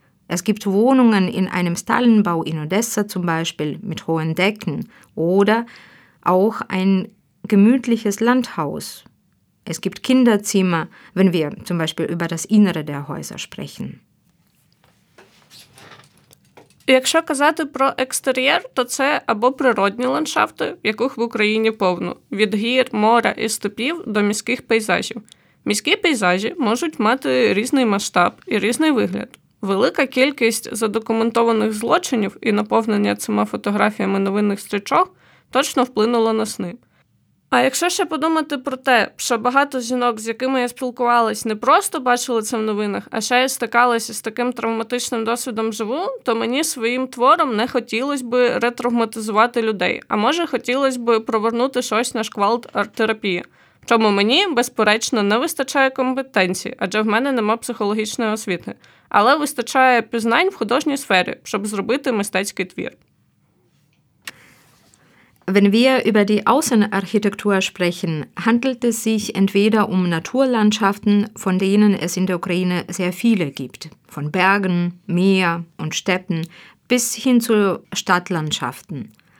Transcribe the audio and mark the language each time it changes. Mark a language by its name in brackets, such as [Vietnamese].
[German] Es gibt Wohnungen in einem Stallenbau in Odessa zum Beispiel mit hohen Decken oder auch ein gemütliches Landhaus. Es gibt Kinderzimmer, wenn wir zum Beispiel über das Innere der Häuser sprechen. [Ukrainian] Якщо казати про екстер'єр, то це або природні ландшафти, яких в Україні повно, від гір, моря і степів до міських пейзажів. Міські пейзажі можуть мати різний масштаб і різний вигляд. Велика кількість задокументованих злочинів і наповнення цими фотографіями новинних стрічок точно вплинуло на сни. А якщо ще подумати про те, що багато жінок, з якими я спілкувалась, не просто бачили це в новинах, а ще й стикалися з таким травматичним досвідом живу, то мені своїм твором не хотілося б ретравматизувати людей, а може хотілося б провернути щось на шквалт арт-терапії. Чому мені, безперечно, не вистачає компетенції, адже в мене нема психологічної освіти, але вистачає пізнань в художній сфері, щоб зробити мистецький твір. [German] Wenn wir über die Außenarchitektur sprechen, handelt es sich entweder um Naturlandschaften, von denen es in der Ukraine sehr viele gibt, von Bergen, Meer und Steppen bis hin zu Stadtlandschaften.